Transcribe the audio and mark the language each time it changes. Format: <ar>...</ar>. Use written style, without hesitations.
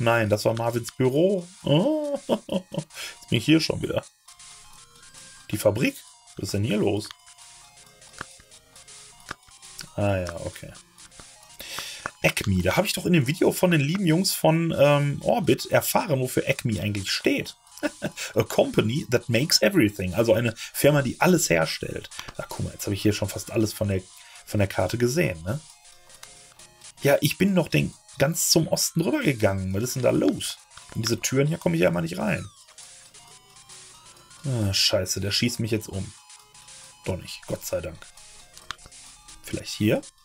<de>Nein, das war Marvins Büro. Oh. Jetzt bin ich hier schon wieder. Die Fabrik? Was ist denn hier los? Ah ja, okay. ACME, da habe ich doch in dem Video von den lieben Jungs von Orbit erfahren, wofür ACME eigentlich steht.</de> <en>A company that makes everything.</en> <de>Also eine Firma, die alles herstellt. Ach, guck mal, jetzt habe ich hier schon fast alles von der Karte gesehen, ne? Ja, ich bin noch den ganz zum Osten rübergegangen. Was ist denn da los? In diese Türen hier komme ich ja mal nicht rein. Ah, scheiße, der schießt mich jetzt um. Doch nicht, Gott sei Dank. Vielleicht hier?</de>